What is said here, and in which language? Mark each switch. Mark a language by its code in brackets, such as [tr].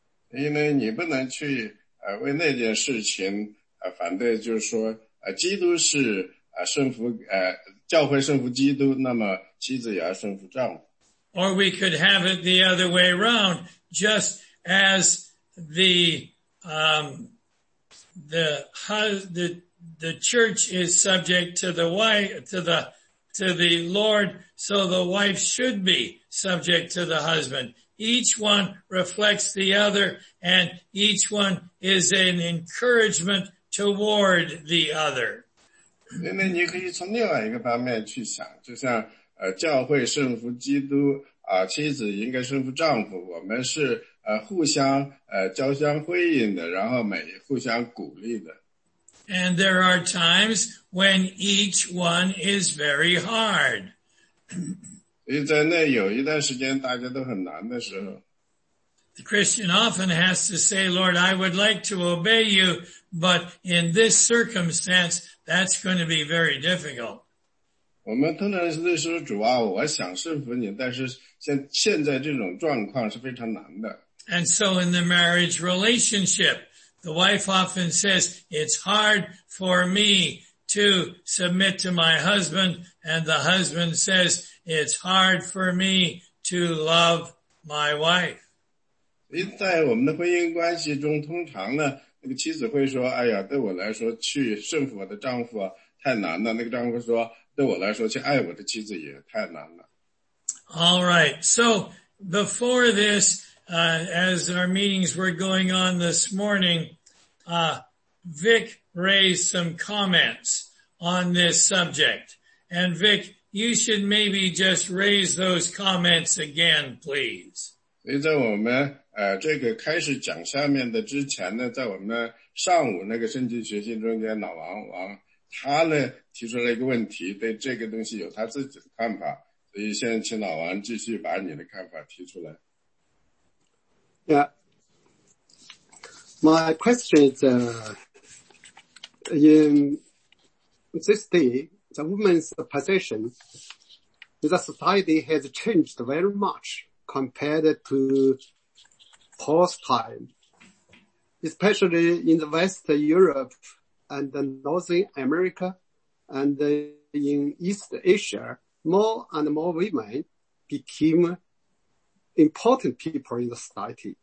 [zh] 因为你不能去为那件事情反对，就是说基督是顺服教会顺服基督，那么妻子也要顺服丈夫。 [en] Or we could have it the other way around, just as the church is subject to the wife, to the Lord, so the wife should be subject to the husband. Each one reflects the other, and each one is an encouragement toward the other. [zh] 那么你可以从另外一个方面去想，就像教会顺服基督妻子应该顺服丈夫，我们是互相交相辉映的，然后每互相鼓励的。 [en] And there are times when each one is very hard. [zh] 因为在那有一段时间大家都很难的时候。 [en] The Christian often has to say, Lord, I would like to obey you, but in this circumstance, that's going to be very difficult. [zh] 我们通常是说，主啊，我想顺服你，但是现在这种状况是非常难的。 [en] And so in the marriage relationship, the wife often says, it's hard for me to submit to my husband, and the husband says, it's hard for me to love my wife. [zh] 在我们的婚姻关系中，通常呢，那个妻子会说：“哎呀，对我来说，去顺服我的丈夫太难了。”那个丈夫说：“对我来说，去爱我的妻子也太难了。” [en] All right. So before this, as our meetings were going on this morning, Vic raised some comments on this subject. And Vic, you should maybe just raise those comments again, please. [zh] 所以在我们这个开始讲下面的之前呢，在我们上午那个圣经学习中间，老王王他呢提出了一个问题，对这个东西有他自己的看法，所以现在请老王继续把你的看法提出来。 [en] Yeah, my question is, in this day, the woman's position in the society has changed very much compared to post time, especially in the West Europe and Northern America and in East Asia, more and more women became important people in the society.